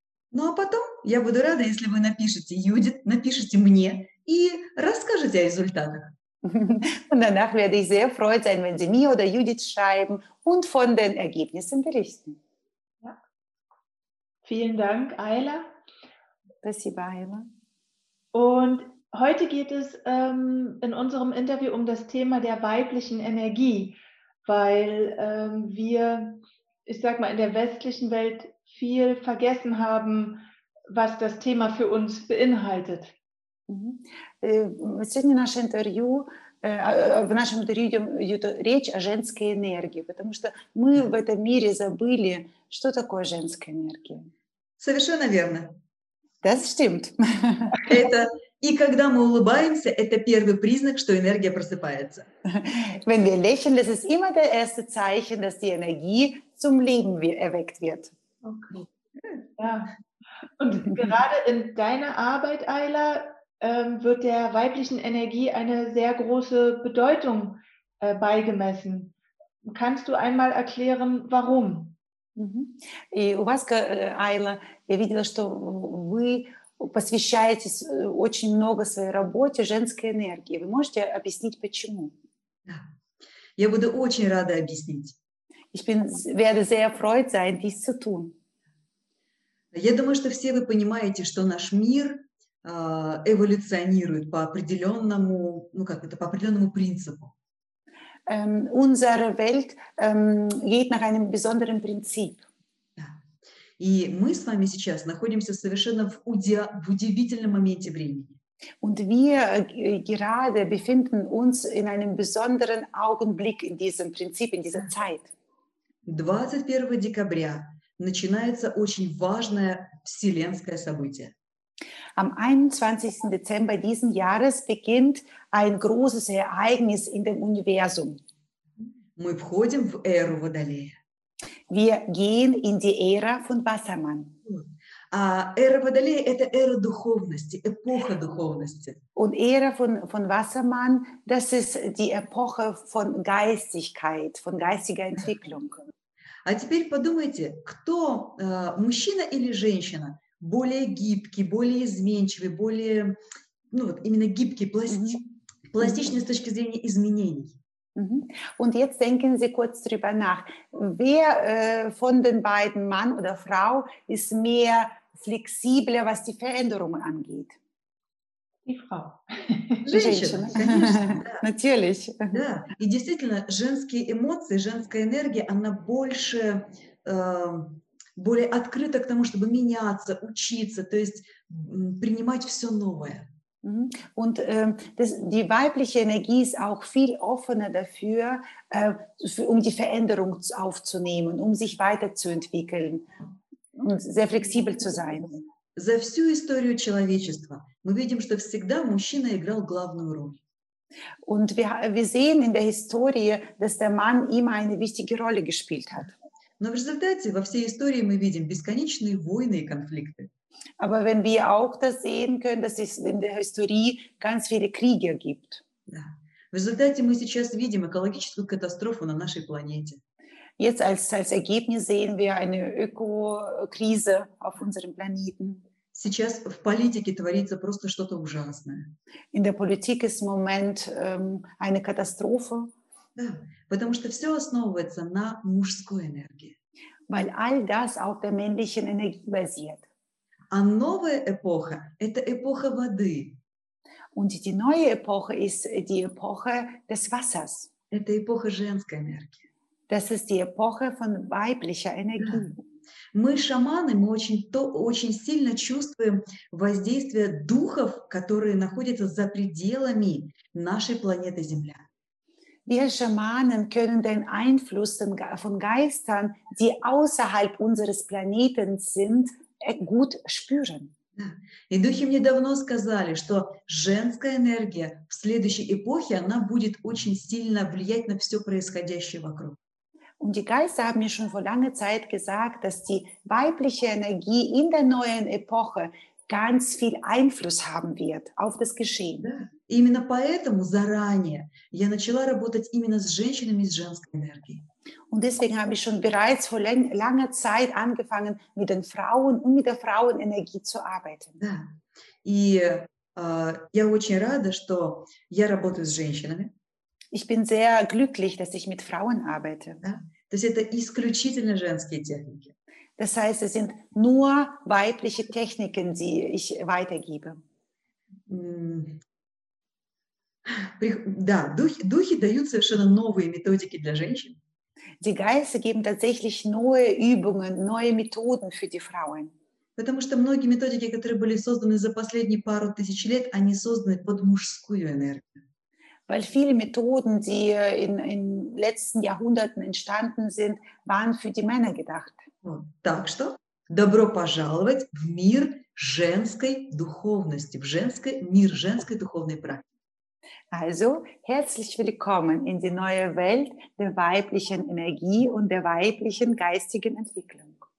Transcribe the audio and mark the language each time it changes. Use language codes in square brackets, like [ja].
[ru] Ну а потом я буду рада, если вы напишете Юдит, напишите мне и расскажете о результатах. [de] Und danach werde ich sehr froh sein, wenn Sie mir oder Judith schreiben und von den Ergebnissen berichten. Ja. Vielen Dank, Ayla. [ru] Спасибо, Ayla. [de] Und heute geht es in unserem Interview um das Thema der weiblichen Energie, weil wir, ich sag mal, in der westlichen Welt viel vergessen haben, was das Thema für uns beinhaltet. [ru] Сегодня наше интервью, в нашем интервью идет речь о женской энергии, потому что мы в этом мире забыли, что такое женская энергия. Совершенно верно. [de] Das stimmt. [ru] И когда мы улыбаемся, это первый признак, что энергия просыпается. [de] Wenn wir lächeln, das ist immer der erste Zeichen, dass die Energie zum Leben erweckt wird. Okay. Ja. Und gerade in deiner Arbeit, Ayla, wird der weiblichen Energie eine sehr große Bedeutung beigemessen. Kannst du einmal erklären, warum? [ru] И у вас, Айла, я видела, что вы посвящаете очень много своей работе женской энергии. Вы можете объяснить, почему? Да. Я буду очень рада объяснить. [de] Ich bin, werde sehr erfreut sein, dies zu tun. [ru] Я думаю, что все вы понимаете, что наш мир эволюционирует по определенному, ну как это, по определенному принципу. [de] Unsere Welt geht nach einem besonderen Prinzip. [ru] Да. И мы с вами сейчас находимся совершенно в удивительном моменте времени. [de] Und wir gerade befinden uns in einem besonderen Augenblick in diesem Prinzip, in dieser Zeit. [ru] 21 декабря начинается очень важное вселенское событие. [de] Am 21. Dezember diesen Jahres beginnt ein großes Ereignis in dem Universum. [ru] Мы входим в эру Водолея. [de] Wir gehen in die Ära von Wassermann. [ru] А эра Водолея – это эра духовности, эпоха духовности. [de] Und Ära von Wassermann, das ist die Epoche von Geistigkeit, von geistiger Entwicklung. [ru] А теперь подумайте, кто, мужчина или женщина, более гибкий, более изменчивый, более, ну вот именно гибкий, пластичный с точки зрения изменений. [de] Und jetzt denken Sie kurz drüber nach. Wer von den beiden, Mann oder Frau, ist mehr flexibler, was die Veränderungen angeht? Die Frau. [ru] Женщина, [de] Natürlich. [ru] Да, и действительно, женские эмоции, женская энергия, она больше, более открыта к тому, чтобы меняться, учиться, то есть принимать все новое. [de] Und die weibliche Energie ist auch viel offener dafür, um die Veränderung aufzunehmen, um sich weiterzuentwickeln und sehr flexibel zu sein. [ru] За всю историю человечества мы видим, что всегда мужчина играл главную роль. [de] Und wir sehen in der Historie, dass der Mann immer eine wichtige Rolle gespielt hat. [ru] Но в результате во всей истории мы видим бесконечные войны и конфликты. [de] Aber wenn wir auch das sehen können, dass es in der Historie ganz viele Kriege gibt. [ru] Да. В результате мы сейчас видим экологическую катастрофу на нашей планете. [de] Jetzt als Ergebnis sehen wir eine Ökokrise auf unserem Planeten. [ru] Сейчас в политике творится просто что-то ужасное. [de] In der Politik ist im Moment eine Katastrophe. [ru] Да, потому что все основывается на мужской энергии. [de] Weil all das auf der männlichen Energie basiert. [ru] А новая эпоха – это эпоха воды. [de] Und die neue Epoche ist die Epoche des Wassers. [ru] Это эпоха женской энергии. [de] Das ist die Epoche von weiblicher Energie. [ru] Да. Мы, шаманы, мы очень сильно чувствуем воздействие духов, которые находятся за пределами нашей планеты Земля. [de] Wir Schamanen können den Einfluss von Geistern, die außerhalb unseres Planeten sind, gut spüren. [ru] И духи мне давно сказали, что женская энергия в следующей эпохе, она будет очень сильно влиять на все происходящее вокруг. [de] Und die Geister haben mir schon vor langer Zeit gesagt, dass die weibliche Energie in der neuen Epoche ganz viel Einfluss haben wird auf das Geschehen. [ru] Именно поэтому заранее я начала работать именно с женщинами, с женской энергией. [de] Und deswegen habe ich schon bereits vor langer Zeit angefangen, mit den Frauen und mit der Frauenenergie zu arbeiten. [ru] Да. И я очень рада, что я работаю с женщинами. [de] Ich bin sehr glücklich, dass ich mit Frauen arbeite. [ru] Да. То есть это исключительно женские техники. [de] Das heißt, es sind nur weibliche Techniken, die ich weitergebe. [ru] Да, духи дают совершенно новые методики для женщин. [de] Die Geister geben tatsächlich neue Übungen, neue Methoden für die Frauen. [ru] Потому что многие методики, которые были созданы за последние пару тысяч лет, они созданы под мужскую энергию. [de] Weil viele Methoden, die in letzten Jahrhunderten entstanden sind, waren für die Männer gedacht. [ru] Так что добро пожаловать в мир женской духовности, в женской мир женской духовной практики. [de] Also, herzlich willkommen in die neue Welt der weiblichen Energie und der weiblichen geistigen Entwicklung.